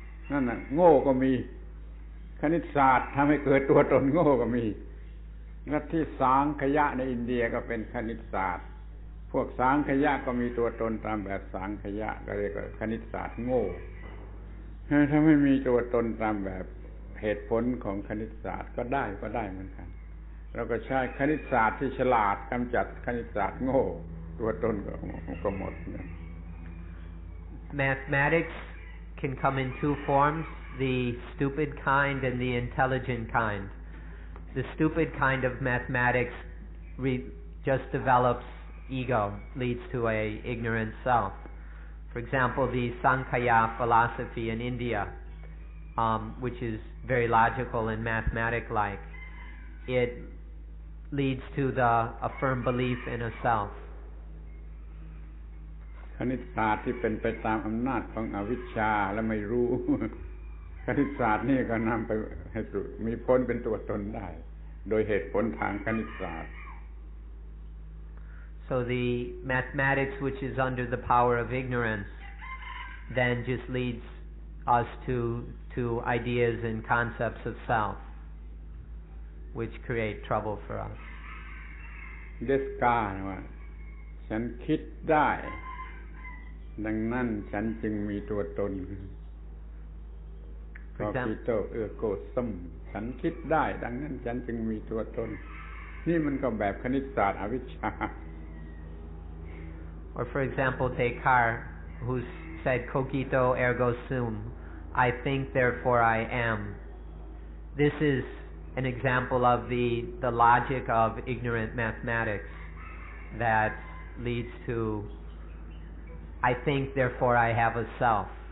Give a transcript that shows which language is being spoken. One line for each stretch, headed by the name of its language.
Thai: นั่นน่ะโง่ก็มีคณิตศาสตร์ทำให้เกิดตัวตนโง่ก็มีลัทธิสังขยะในอินเดียก็เป็นคณิตศาสตร์พวกสังขยะก็มีตัวตนตามแบบสังขยะก็เรียกว่าคณิตศาสตร์โง่ถ้าไม่มีตัวตนตามแบบเหตุผลของคณิตศาสตร์ก็ได้เหมือนกันเราก็ใช้คณิตศาสตร์ที่ฉลาดกำจัดคณิตศาสตร์โง่ตัวตนก็หมด
English: Mathematics can come in two forms the stupid kind and the intelligent kind the stupid kind of mathematics just developsEgo leads to a ignorant self. For example, the Sankhya philosophy in India, which is very logical and mathematic-like, it leads to a firm belief in a self.
Thai: คณิตศาสตร์ที่เป็นไปตามอำนาจของอวิชชาและไม่รู้คณิตศาสตร์นี่ก็นำไปให้มีพ้นเป็นตัวตนได้โดยเหตุผลทางคณิตศาสตร์
English: So the mathematics which is under the power of ignorance then just leads us to ideas and concepts of self which create trouble for us. This guy,
Thai: ฉันคิดได้ดังนั้นฉันจึงมีตัวตน
Latin: Cogito ergo sum
Thai: ฉันคิดได้ดังนั้นฉันจึงมีตัวตนนี่มันก็แบบคณิตศาสตร์อวิชชา
English: Or for example, Descartes, who said,
Latin: Cogito ergo sum,
English: I think, therefore I am. This is an example of the logic of ignorant mathematics that leads to, I think, therefore I have a self.